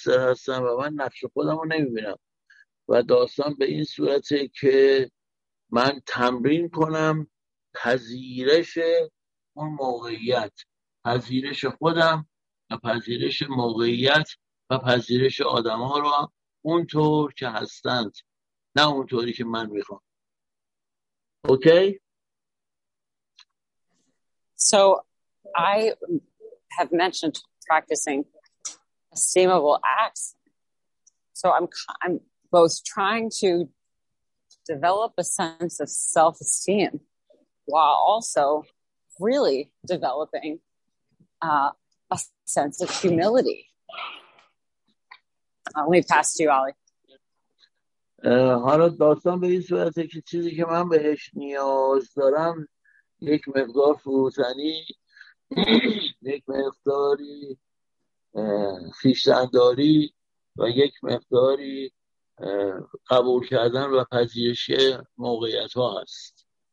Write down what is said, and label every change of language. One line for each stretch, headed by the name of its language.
Persian: هستم و من نقش خودم رو نمیبینم و داستان به این صورته که من تمرین کنم پذیرش اون موقعیت، پذیرش خودم و پذیرش موقعیت و پذیرش آدم ها رو اونطور که هستند، نه اونطوری که من میخوام. اوکی؟
English: So I have mentioned practicing esteemable acts. So I'm both trying to develop a sense of self-esteem while also really developing a sense of humility. Let me pass to you, Ali.
Persian: حالا داستان به این صورته که چیزی که من بهش نیاز دارم یک مقدار فروتنی، یک مقداری خویشتنداری و یک مقداری قبول کردن و پذیرش موقعیت ها هست.